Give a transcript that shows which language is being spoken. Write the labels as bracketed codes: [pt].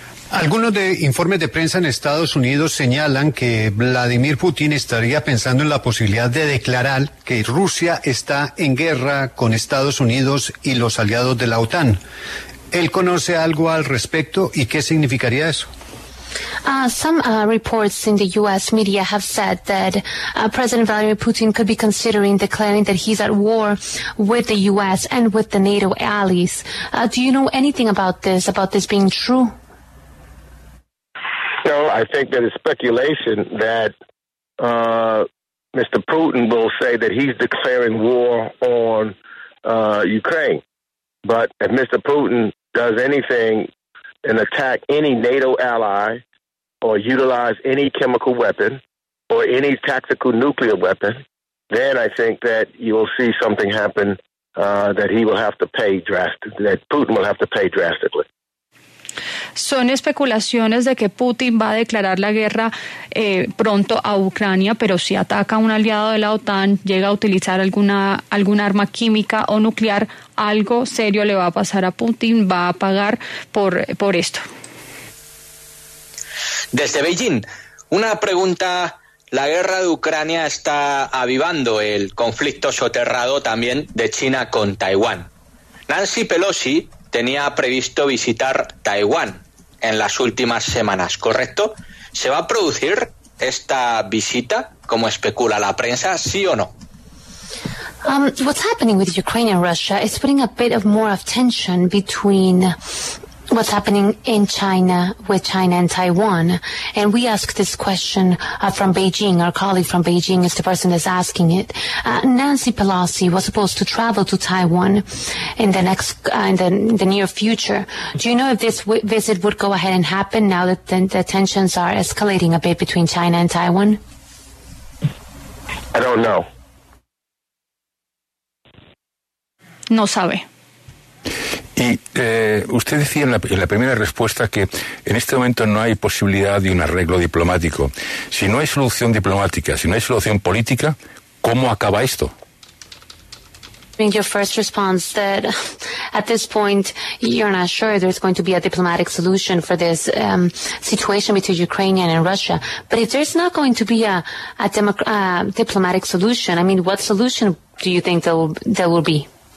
[es] Algunos de informes de prensa en Estados Unidos señalan que Vladimir Putin estaría pensando en la posibilidad de declarar que Rusia está en guerra con Estados Unidos y los aliados de la OTAN. ¿Él conoce algo al respecto y qué significaría eso? [en] Some reports in the U.S. media have said that President Vladimir Putin could be considering declaring that he's at war with the U.S. and with the NATO allies. Do you know anything about this being true? No, I think that it's speculation that Mr. Putin will say that he's declaring war on Ukraine. But if Mr. Putin does anything and attack any NATO ally or utilize any chemical weapon or any tactical nuclear weapon, then I think that you'll see something happen that he will have to pay drastically, that Putin will have to pay drastically. [es] Son especulaciones de que Putin va a declarar la guerra pronto a Ucrania, pero si ataca a un aliado de la OTAN, llega a utilizar alguna arma química o nuclear, algo serio le va a pasar a Putin, va a pagar por esto. Desde Beijing, una pregunta. La guerra de Ucrania está avivando el conflicto soterrado también de China con Taiwán. Nancy Pelosi tenía previsto visitar Taiwán en las últimas semanas, ¿correcto? ¿Se va a producir esta visita, como especula la prensa, sí o no? [en] What's happening with Ukraine and Russia is putting a bit of more of tension between what's happening in China with China and Taiwan. And we ask this question from Beijing. Our colleague from Beijing is the person that's asking it. Nancy Pelosi was supposed to travel to Taiwan in the next, in the near future. Do you know if this visit would go ahead and happen now that the tensions are escalating a bit between China and Taiwan? I don't know. [es] No sabe. Y usted decía en la primera respuesta que en este momento no hay posibilidad de un arreglo diplomático. Si no hay solución diplomática, si no hay solución política, ¿cómo acaba esto? [en] I mean, your first response that at this point you're not sure there's going to be a diplomatic solution for this situation between Ukraine and Russia. But if there's not going to be a diplomatic solution, I mean, what solution do you think there will be?